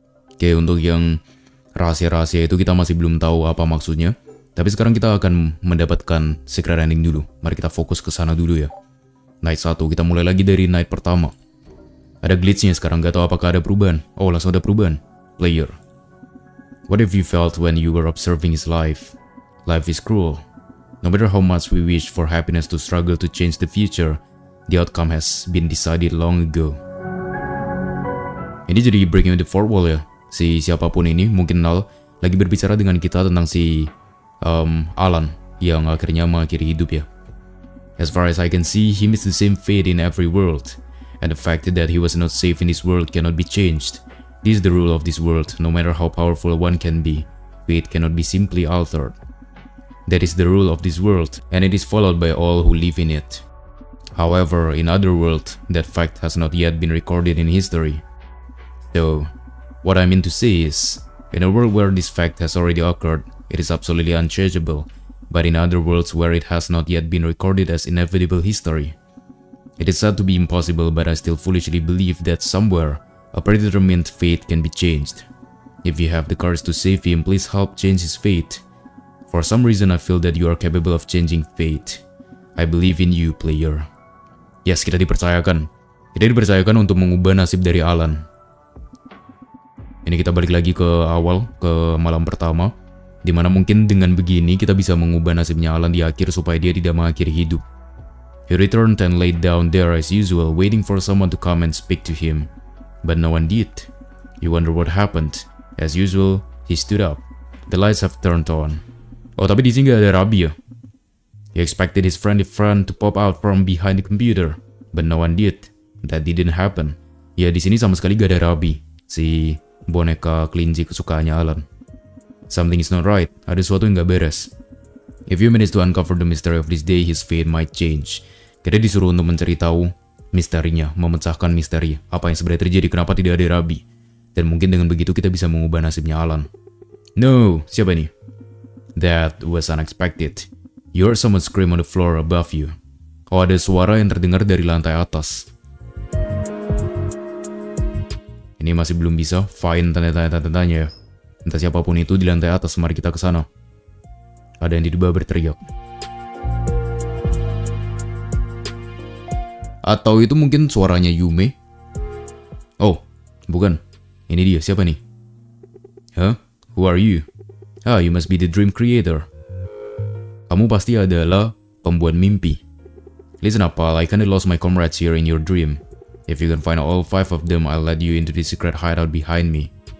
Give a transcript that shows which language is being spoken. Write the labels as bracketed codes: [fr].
[id] Oke, untuk yang rahasia-rahasia itu kita masih belum tahu apa maksudnya. Tapi sekarang kita akan mendapatkan secret ending dulu. Mari kita fokus ke sana dulu ya. Night 1, kita mulai lagi dari night pertama. Ada glitch-nya sekarang, gak tahu apakah ada perubahan. Oh, langsung ada perubahan. Player. [en] What if you felt when you were observing his life? Life is cruel. No matter how much we wish for happiness to struggle to change the future, the outcome has been decided long ago. [id] Ini jadi [en] breaking the fourth wall [id] ya. Si siapapun ini, mungkin Nal, lagi berbicara dengan kita tentang si Alan yang akhirnya mengakhiri hidup ya. [en] As far as I can see, he meets the same fate in every world. And the fact that he was not safe in this world cannot be changed. This is the rule of this world, no matter how powerful one can be. Fate cannot be simply altered. That is the rule of this world, and it is followed by all who live in it. However, in other worlds, that fact has not yet been recorded in history. So, what I mean to say is, in a world where this fact has already occurred, it is absolutely unchangeable. But in other worlds where it has not yet been recorded as inevitable history, it is said to be impossible, but I still foolishly believe that somewhere, a predetermined fate can be changed. If you have the courage to save him, please help change his fate. For some reason, I feel that you are capable of changing fate. I believe in you, player. Yes, [id] kita dipercayakan. Kita dipercayakan untuk mengubah nasib dari Alan. Ini kita balik lagi ke awal, ke malam pertama. Dimana mungkin dengan begini, kita bisa mengubah nasibnya Alan di akhir supaya dia tidak mengakhiri hidup. [en] He returned and laid down there as usual, waiting for someone to come and speak to him. But no one did. You wonder what happened. As usual, he stood up. The lights have turned on. [id] Oh, tapi di sini gak ada Rabi ya? [en] He expected his friendly friend to pop out from behind the computer. But no one did. That didn't happen. [id] Ya, di sini sama sekali gak ada Rabi. Si boneka kelinci kesukaannya Alan. [en] Something is not right. [id] Ada sesuatu yang gak beres. [en] If you manage to uncover the mystery of this day, his fate might change. [id] Kita disuruh untuk mencari tahu misterinya, memecahkan misteri. Apa yang sebenarnya terjadi, kenapa tidak ada Rabi. Dan mungkin dengan begitu kita bisa mengubah nasibnya Alan. [en] No, [id] siapa ini? [en] That was unexpected. You heard someone scream on the floor above you. [id] Oh, ada suara yang terdengar dari lantai atas. Ini masih belum bisa, fine tanya-tanya ya. Entah siapapun itu di lantai atas, mari kita ke sana. Ada yang diduga berteriak. Atau itu mungkin suaranya Yume? Oh, bukan. Ini dia, siapa nih? Huh? [en] Who are you? Ah, you must be the dream creator. [id] Kamu pasti adalah pembuat mimpi. [en] Listen up, pal. I kinda lost my comrades here in your dream. If you can find all five of them, I'll let you into the secret hideout behind me.